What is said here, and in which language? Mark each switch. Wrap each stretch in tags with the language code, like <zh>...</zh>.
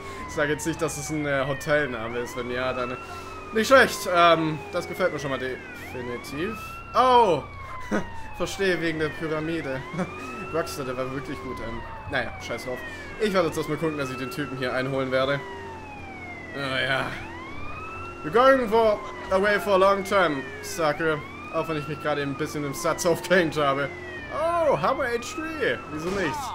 <de>Ich sage jetzt nicht, dass es ein Hotelname ist. Wenn ja, dann nicht schlecht. Das gefällt mir schon mal definitiv. Oh, verstehe, wegen der Pyramide. Rockstar, der war wirklich gut. Naja, scheiß drauf. Ich werde jetzt erstmal gucken, dass ich den Typen hier einholen werde. Naja.</de> <en>We're going for away for a long time, Sucker.</en> <de>Auch wenn ich mich gerade eben ein bisschen im Satz aufgehängt habe. Oh, Hammer H3. Wieso nicht?</de>